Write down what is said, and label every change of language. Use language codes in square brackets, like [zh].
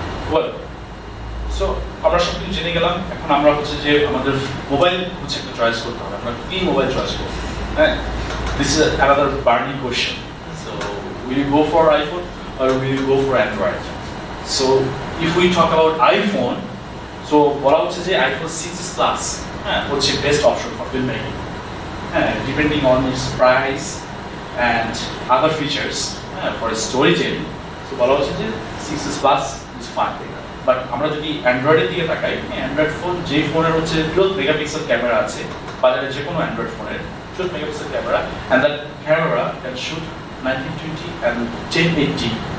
[bn] Well, so আমরা সব কিছু জেনে গেলাম। এখন আমরা হচ্ছে যে আমাদের মোবাইল হচ্ছে একটা চয়েস করতে হবে, আমরা কী মোবাইল চয়েস করব, হ্যাঁ? [en] This is another burning question. So will you go for iPhone or will you go for Android? So, if we talk about iPhone, so what I would say is iPhone 6 Plus, what's your best option for filmmaking? Depending on its price and other features, [bn] for a story chain so বলা হচ্ছে যে [en] six plus is five mega [bn] but আমরা যদি অ্যান্ড্রয়েডের দিকে তাকাই Android phone যে ফোনের হচ্ছে 12 মেগাপিক্সেল ক্যামেরা আছে বাজারে যে কোনো অ্যান্ড্রয়েড ফোনের 12 megapixel camera [en] and that camera can shoot 1920 and 1080